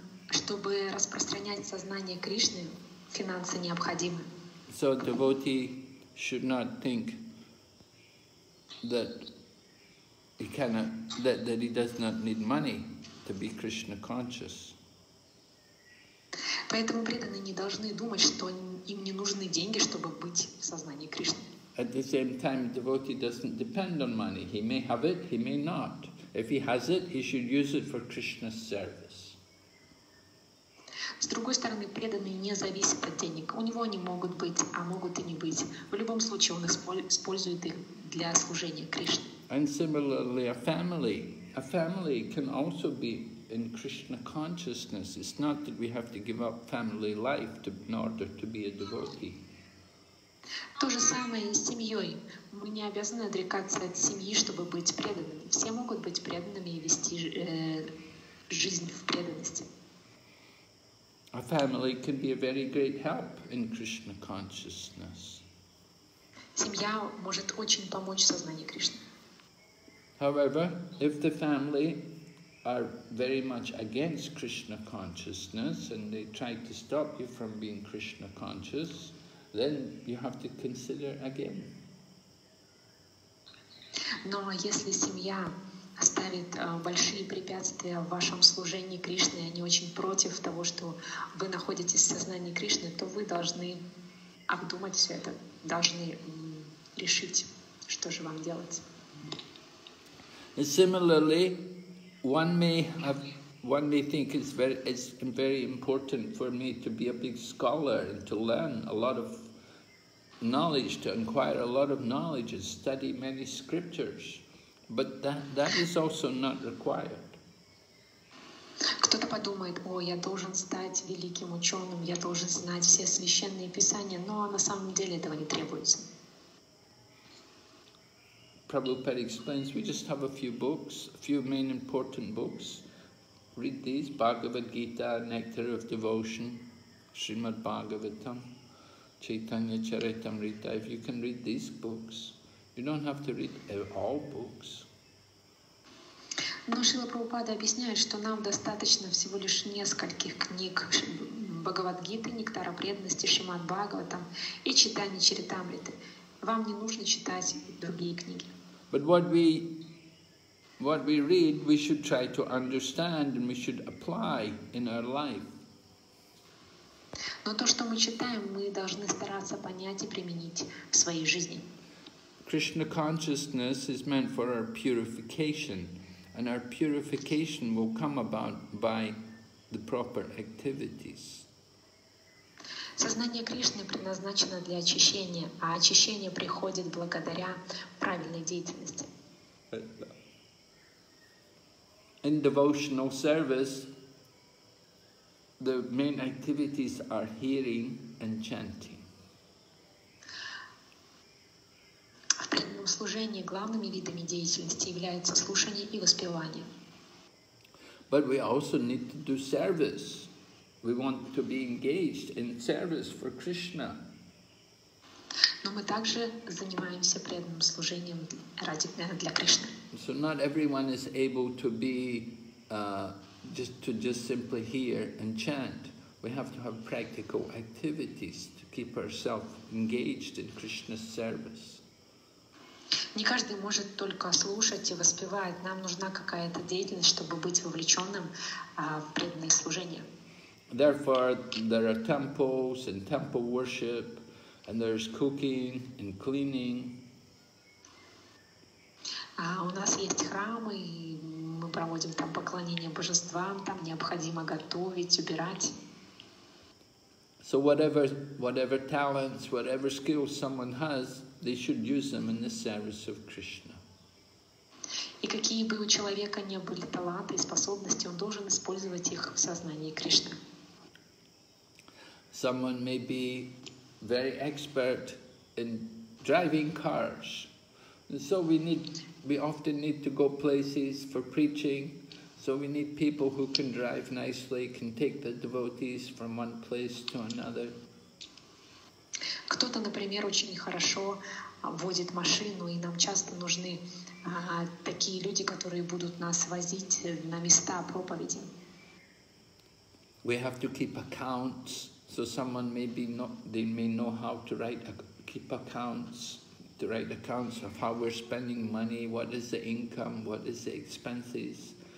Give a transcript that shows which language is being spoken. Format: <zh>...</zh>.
<ru>Чтобы распространять сознание Кришны, финансы необходимы.</ru> <en>So a devotee should not think that he does not need money to be Krishna conscious.</en> <ru>Поэтому преданные не должны думать, что им не нужны деньги, чтобы быть в сознании Кришны.</ru> <en>At the same time, a devotee doesn't depend on money. He may have it, he may not. If he has it, he should use it for Krishna's service.</en> <ru>С другой стороны, преданный не зависит от денег. У него они могут быть, а могут и не быть. В любом случае, он использует их для служения Кришне.</ru> <en>And similarly, a family. A family can also be in Krishna consciousness. It's not that we have to give up family life in order to be a devotee.</en> <ru>То же самое и с семьей. Мы не обязаны отрекаться от семьи, чтобы быть преданными. Все могут быть преданными и вести жизнь в преданности.</ru> <en>A family can be a very great help in Krishna consciousness.</en> <ru>Семья может очень помочь в сознании Кришны.</ru> <en>However, if the family are very much against Krishna consciousness and they try to stop you from being Krishna conscious, then you have to consider again.</en> <ru>Но если семья ставит большие препятствия в вашем служении Кришне, они очень против того, что вы находитесь в сознании Кришны, то вы должны обдумать все это, должны решить, что же вам делать.</ru> <en>Similarly, one may think it's very important for me to be a big scholar and to learn a lot of knowledge, to acquire a lot of knowledge and study many scriptures, but that is also not required.</en> <ru>Кто-то подумает, я должен стать великим ученым, я должен знать все священные писания, но на самом деле этого не требуется.</ru> <en>Prabhupada explains, we just have a few books, a few main important books. Read these, Bhagavad Gita, Nectar of Devotion, Srimad Bhagavatam, Chaitanya Charitamrita. If you can read these books, you don't have to read all books.</en> <ru>Но Шрила Прабхупада объясняет, что нам достаточно всего лишь нескольких книг Бхагавадгиты, Нектара преданности, Шримад Бхагаватам и читания Чаритамриты. Вам не нужно читать другие книги.</ru> <en>But what we read, we should try to understand and we should apply in our life.</en> <ru>Но то, что мы читаем, мы должны стараться понять и применить в своей жизни.</ru> <en>Krishna consciousness is meant for our purification, and our purification will come about by the proper activities.</en> <ru>Сознание Кришны предназначено для очищения, а очищение приходит благодаря правильной деятельности.</ru> <en>In devotional service, the main activities are hearing and chanting.</en> <ru>Служение главными видами деятельности является слушание и воспевание.</ru> <en>But we also need to do service. We want to be engaged in service for Krishna.</en> <ru>Но мы также занимаемся преданным служением ради для Кришны.</ru> <en>So not everyone is able to be just simply hear and chant. We have to have practical activities to keep ourselves engaged in Krishna's service.</en> <ru>Не каждый может только слушать и воспевать. Нам нужна какая-то деятельность, чтобы быть вовлеченным в преданное служение.</ru> <en>Therefore, there are temples and temple worship, and there's cooking and cleaning.</en> <ru>У нас есть храмы, и мы проводим там поклонение божествам. Там необходимо готовить, убирать.</ru> <en>So whatever talents, whatever skills someone has, they should use them in the service of Krishna.</en> <ru>И какие бы у человека ни были таланты и способности, он должен использовать их в сознании Кришны.</ru> <en>Someone may be very expert in driving cars. And so we often need to go places for preaching. So we need people who can drive nicely, can take the devotees from one place to another.</en> <ru>Кто-то, например, очень хорошо водит машину, и нам часто нужны такие люди, которые будут нас возить на места проповеди.</ru> <en>We have to keep accounts, so someone maybe not, they may know how to write, keep accounts, to write accounts of how we're spending money, what is the income, what is the expenses.</en>